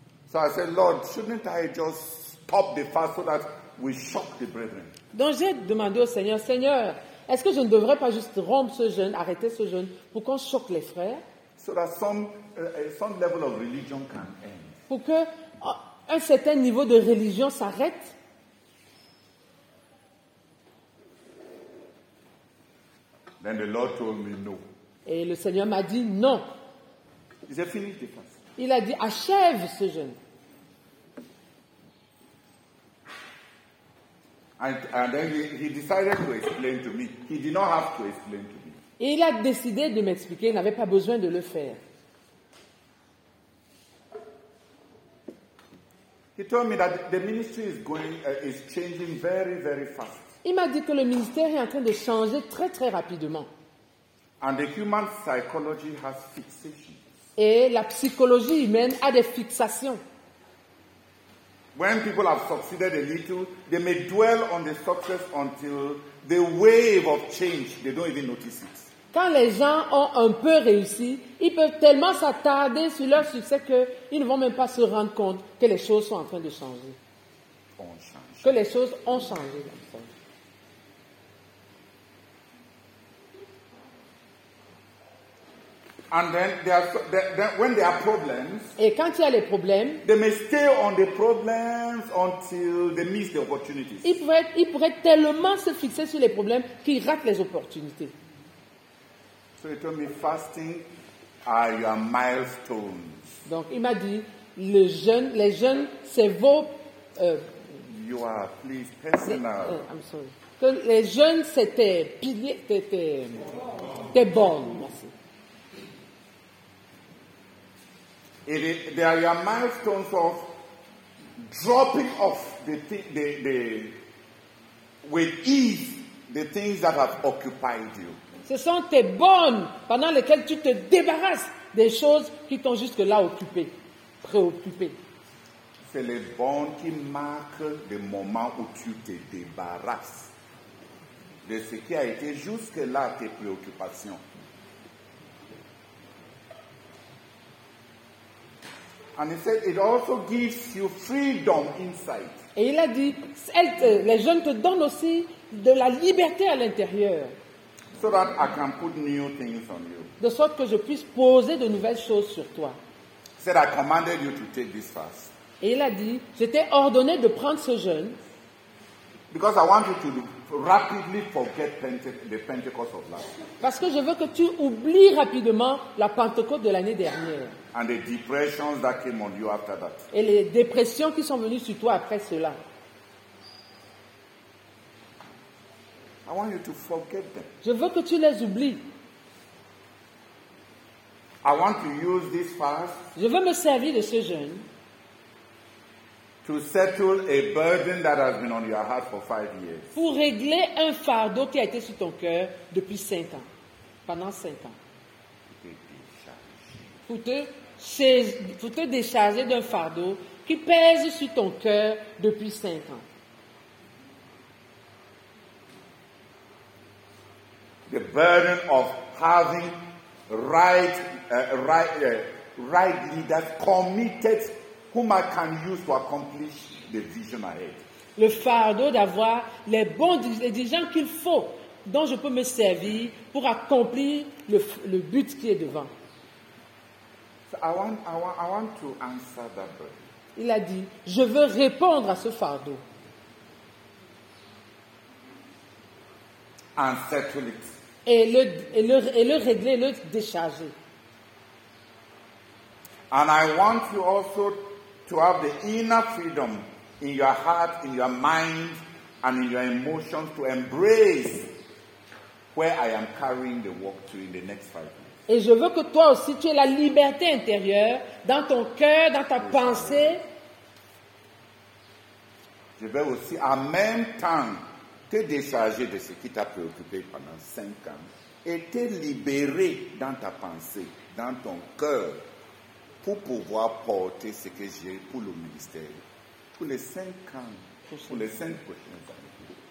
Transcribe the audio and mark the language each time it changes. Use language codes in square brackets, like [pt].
[en] So I said, Lord, shouldn't I just stop the fast so that we shock the brethren? [fr] Donc j'ai demandé au Seigneur, Seigneur, est-ce que je ne devrais pas juste rompre ce jeûne, arrêter ce jeûne, pour qu'on choque les frères? [en] So that some level of religion can end. [fr] Pour que un certain niveau de religion s'arrête. [en] Then the Lord told me no. [fr] Et le Seigneur m'a dit non. [en] Is it finished? [fr] Il a dit achève ce jeûne. [en] And then he decided to explain to me. He did not have to explain to me. [fr] Et il a décidé de m'expliquer. Il n'avait pas besoin de le faire. [en] He told me that the ministry is changing very, very fast. [fr] Il m'a dit que le ministère est en train de changer très, très rapidement. [en] And the human psychology has fixations. [fr] Et la psychologie humaine a des fixations. [en] When people have succeeded a little, they may dwell on the success until the wave of change, they don't even notice it. [fr] Quand les gens ont un peu réussi, ils peuvent tellement s'attarder sur leur succès qu'ils ne vont même pas se rendre compte que les choses sont en train de changer. On change. Que les choses ont changé. [en] And then there are, then when there are problems, [fr] et quand il y a les problèmes, [en] they may stay on the problems until they miss the opportunities. [fr] Ils pourraient tellement se fixer sur les problèmes qu'ils ratent les opportunités. [en] So he told me, fasting are your milestones. [fr] Donc il m'a dit, le jeûne, les jeûnes, c'est vos. [en] You are, please, personal. I'm sorry. [fr] Les jeûnes, c'était pilier, c'était bon. [en] They are your milestones of dropping off the with ease the things that have occupied you. [fr] Ce sont tes bornes pendant lesquelles tu te débarrasses des choses qui t'ont jusque là occupé, préoccupé. C'est les bornes qui marquent le moment où tu te débarrasses de ce qui a été jusque là tes préoccupations. [en] And he said it also gives you freedom inside. [fr] Et il a dit, les jeunes te donnent aussi de la liberté à l'intérieur. [en] So that I can put new things on you. [fr] De sorte que je puisse poser de nouvelles choses sur toi. [en] Said I commanded you to take this fast. [fr] Et il a dit, je t'ai ordonné de prendre ce jeûne. [en] Because I want you to rapidly forget the Pentecost of last. [fr] Parce que je veux que tu oublies rapidement la Pentecôte de l'année dernière. [en] And the depressions that came on you after that. [fr] Et les dépressions qui sont venues sur toi après cela. [en] I want you to forget them. [fr] Je veux que tu les oublies. [en] I want to use this fast. [fr] Je veux me servir de ce jeûne. [en] To settle a burden that has been on your heart for 5 years. [fr] Pour régler un fardeau qui a été sur ton cœur depuis 5 ans, pendant 5 ans. Pour te décharger d'un fardeau qui pèse sur ton cœur depuis 5 ans. [en] The burden of having right leaders committed whom I can use to accomplish the vision ahead. [fr] Le fardeau d'avoir les bons dirigeants qu'il faut, dont je peux me servir pour accomplir le but qui est devant. [en] So I want to answer that burden. [fr] Il a dit, je veux répondre à ce fardeau. [en] And settle it. [fr] Et le régler, le décharger. [en] And I want you also to have the inner freedom in your heart, in your mind, and in your emotions to embrace where I am carrying the work to in the next 5 years. [fr] Et je veux que toi aussi, tu aies la liberté intérieure dans ton cœur, dans ta pensée. Je veux aussi, en même temps, te décharger de ce qui t'a préoccupé pendant 5 ans et te libérer dans ta pensée, dans ton cœur, pour pouvoir porter ce que j'ai pour le ministère, pour les 5 ans, pour les 5 prochaines années.